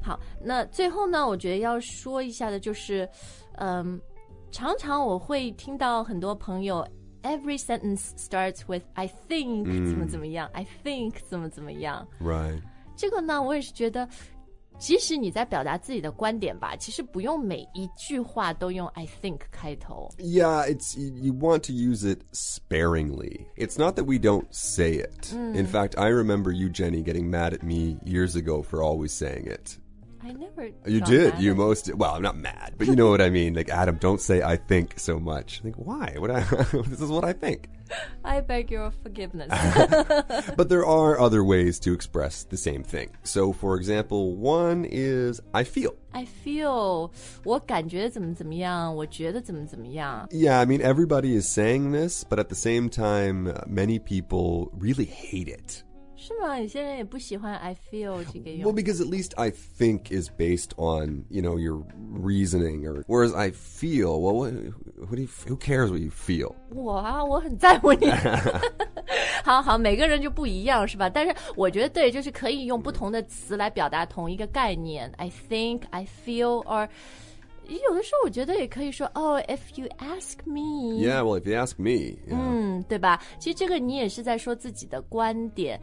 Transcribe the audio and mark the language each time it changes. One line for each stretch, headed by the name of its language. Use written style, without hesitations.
Chinese: 好那最后呢我觉得要说一下的就是常常我会听到很多朋友
English: every sentence starts with I think、
Chinese: mm. 怎么怎么样
English: I think
Chinese: 怎么怎么样
English: Right
Chinese: 这个呢我也是觉得即使你在表达自己的观点吧其实不用每一句话都用
English: I think
Chinese: 开头
English: Yeah, you want to use it sparingly It's not that we don't say it、 mm. In fact, I remember you, Jenny, getting mad at me years ago for always saying it I never You did, you most did. Well, I'm not mad, but you know what I mean. Like, Adam, don't say I think so much. Like, why? This is what I think. I beg your forgiveness. But there are other ways to express the same thing. So, for example, one is I feel. I feel.
Chinese: 我感觉怎么怎么样，我觉得怎么怎么样。
English: Yeah, I mean, everybody is saying this, but at the same time, many people really hate it.
Chinese: 是吗有些人也不喜欢
English: I feel
Chinese: 这个用
English: Well, because at least I think is based on, you know, your reasoning. Whereas I feel, well, who cares what you feel?
Chinese: 我啊我很在乎你。好好每个人就不一样是吧但是我觉得对就是可以用不同的词来表达同一个概念。
English: I think, I feel, or...
Chinese: 有的时候我觉得也可以说
English: Oh, if you ask me Yeah, well, if you ask me、yeah.
Chinese: 对吧其实这个你也是在说自己的观点、